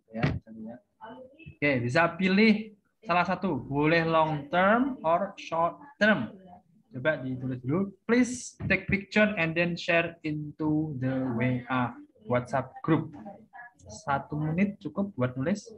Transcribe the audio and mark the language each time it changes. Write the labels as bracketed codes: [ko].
[id] Oke, bisa pilih salah satu. Boleh [en] long term or short term. [id] Coba ditulis dulu, [en] please take picture and then share into the WA WhatsApp group. [id] Satu menit cukup buat nulis.